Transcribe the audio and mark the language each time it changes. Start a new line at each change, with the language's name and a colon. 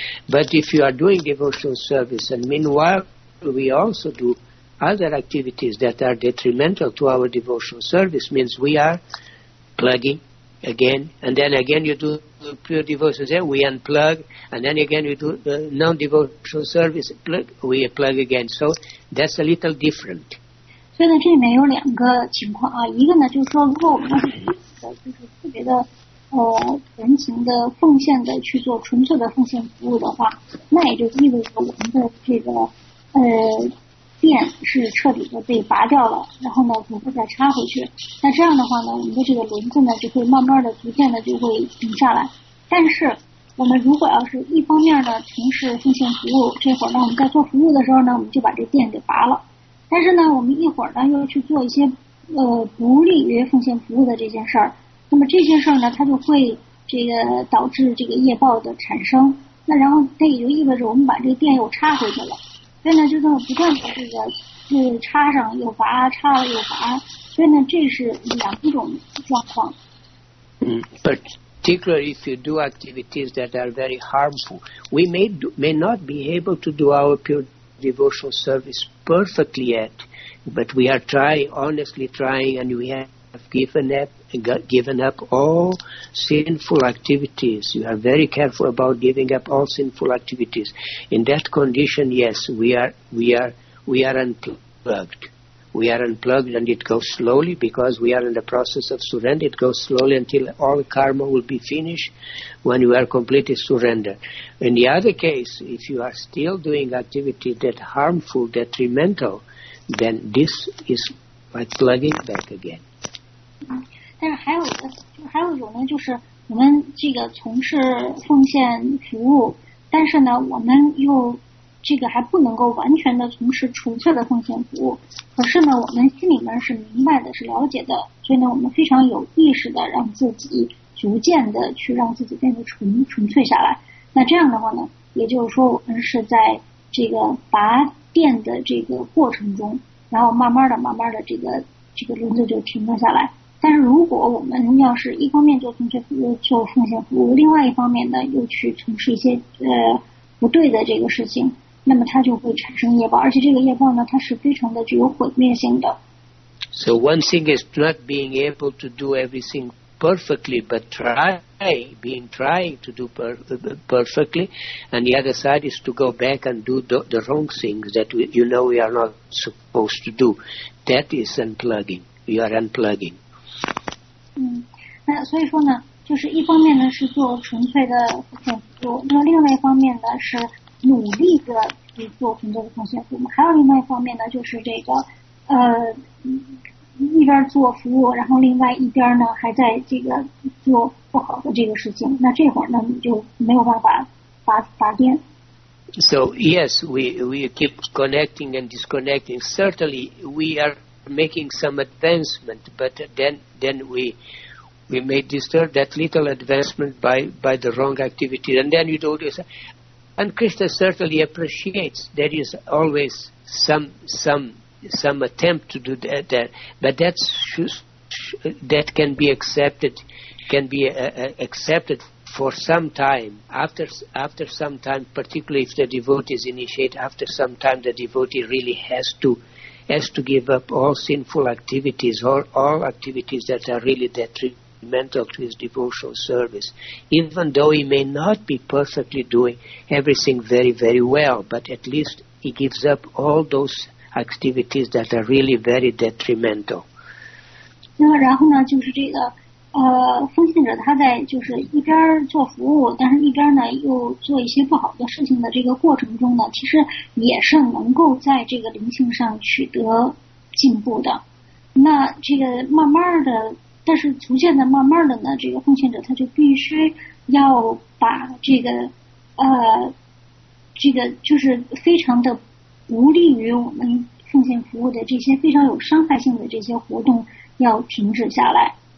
English: But if you are doing devotional service, and meanwhile we also do other activities that are detrimental to our devotional service, means we are plugging again, and then again you do pure devotion, then we unplug, and then again you do non-devotional service, we plug again. So that's a little different.
Chinese: 所以呢，这里面有两个情况啊，一个呢就是说，如果我们就是特别的纯情的奉献的去做纯粹的奉献服务的话，那也就意味着我们的这个电是彻底的被拔掉了，然后呢不会再插回去。那这样的话呢，我们的这个轮子呢就会慢慢的逐渐的就会停下来。但是我们如果要是一方面呢从事奉献服务，这会儿呢我们在做服务的时候呢，我们就把这电给拔了。但是呢我们一会儿呢又去做一些不利于奉献服务的这件事儿，那么这件事儿呢它就会这个导致这个业报的产生，那然后它也就意味着我们把这个电又插回去了，所以呢就这么不断的这个插上又拔，插了又拔，所以呢这是两种状况。
English: Particularly if you do activities that are very harmful, we may not be able to do our pure devotional service perfectly yet, but we are trying, honestly trying, and we have given up all sinful activities. You are very careful about giving up all sinful activities. In that condition, yes, we are unplugged. We are unplugged, and it goes slowly because we are in the process of surrender. It goes slowly until all karma will be finished when you are completely surrendered. In the other case, if you are still doing activity that harmful, detrimental, then this is like plugging back again.
Chinese: 但是还有一种呢，就是我们这个从事奉献服务，但是呢，我们又这个还不能够完全的从事纯粹的奉献服务，可是呢我们心里面是明白的，是了解的，所以呢我们非常有意识的让自己逐渐的去让自己变得纯粹下来，那这样的话呢也就是说我们是在这个拔电的这个过程中，然后慢慢的这个轮子就停了下来。但是如果我们要是一方面做纯粹服务，做奉献服务，另外一方面呢又去从事一些不对的这个事情，那么它就会产生业报，而且这个业报呢它是非常的具有毁灭性的。
English: So one thing is not being able to do everything perfectly, but trying to do perfectly, and the other side is to go back and do the wrong things that we are not supposed to do. That is unplugging. You are unplugging.
Chinese: 那所以说呢，就是一方面呢是做纯粹的奉献服务，那么另外一方面呢是努力的去做纯粹的奉献服务，还有另外一方面呢就是这个一边做服务，然后另外一边呢还在这个做不好的这个事情，那这会儿呢你就没有办法拔电。
English: So yes, we keep connecting and disconnecting. Certainly we are making some advancement, but then we may disturb that little advancement by the wrong activity, and then you do this. And Krishna certainly appreciates there is always some attempt to do that, but that can be accepted, accepted for some time. After some time, particularly if the devotee is initiated, after some time the devotee really has to give up all sinful activities or all activities that are really detrimental to his devotional service, even though he may not be perfectly doing everything very, very well, but at least he gives up all those activities that are really very detrimental.
Chinese: 那么然后呢，就是这个，奉献者他在就是一边做服务，但是一边呢又做一些不好的事情的这个过程中呢，其实也是能够在这个灵性上取得进步的。那这个慢慢的，但是逐渐的慢慢的呢，这个奉献者他就必须要把这个这个就是非常的不利于我们奉献服务的这些非常有伤害性的这些活动要停止下来。